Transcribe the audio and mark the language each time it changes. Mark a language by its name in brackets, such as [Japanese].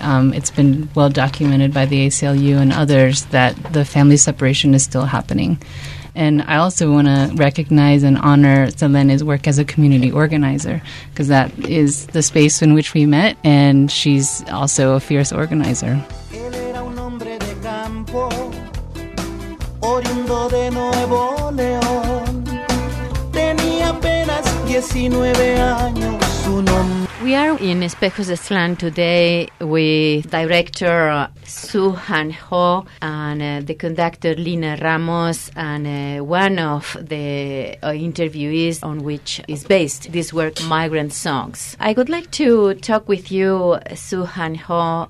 [English] It's been well documented by the ACLU and others that the family separation is still happening. And I also want to recognize and honor Selene's work as a community organizer, because that is the space in which we met, and she's also a fierce organizer. [Spanish] Oriundo de Nuevo León, tenía apenas 19 años su nombre. [English] We are in Espejos de Aztlán today with director Soo Han Ho and the conductor Lina Ramos, and one of the interviewees on which is based this work, Migrant Songs. I would like to talk with you, Soo Han Ho.